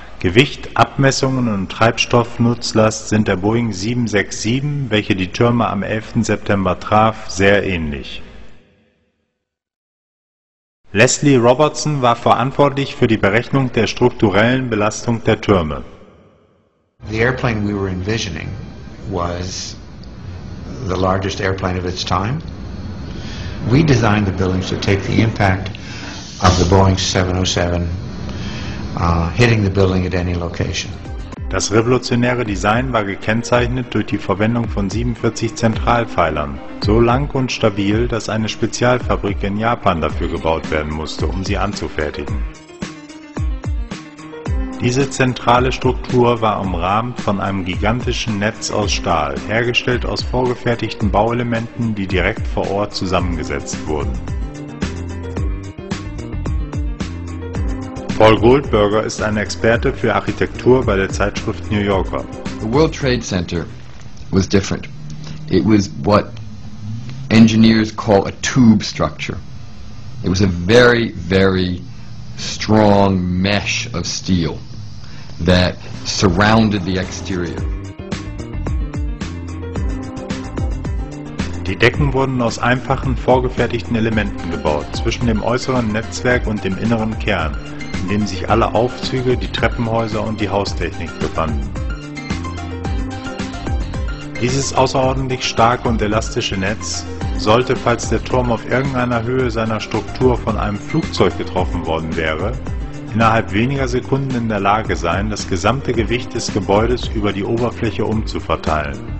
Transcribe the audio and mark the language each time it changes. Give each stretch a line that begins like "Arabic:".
German: Gewicht, Abmessungen und Treibstoffnutzlast sind der Boeing 767, welche die Türme am 11. September traf, sehr ähnlich. Leslie Robertson war verantwortlich für die Berechnung der strukturellen Belastung der Türme.
English: The airplane we were envisioning was the largest airplane of its time. We designed the buildings to take the impact of the Boeing 707 hitting the building at any location.
German: Das revolutionäre Design war gekennzeichnet durch die Verwendung von 47 Zentralpfeilern, so lang und stabil, dass eine Spezialfabrik in Japan dafür gebaut werden musste, um sie anzufertigen. Diese zentrale Struktur war umrahmt von einem gigantischen Netz aus Stahl, hergestellt aus vorgefertigten Bauelementen, die direkt vor Ort zusammengesetzt wurden. Paul Goldberger ist ein Experte für Architektur bei der Zeitschrift New Yorker.
English: The World Trade Center was different. It was what engineers call a tube structure. It was a very, very strong mesh of steel that surrounded the exterior.
German: Die Decken wurden aus einfachen, vorgefertigten Elementen gebaut, zwischen dem äußeren Netzwerk und dem inneren Kern, in dem sich alle Aufzüge, die Treppenhäuser und die Haustechnik befanden. Dieses außerordentlich starke und elastische Netz sollte, falls der Turm auf irgendeiner Höhe seiner Struktur von einem Flugzeug getroffen worden wäre, innerhalb weniger Sekunden in der Lage sein, das gesamte Gewicht des Gebäudes über die Oberfläche umzuverteilen.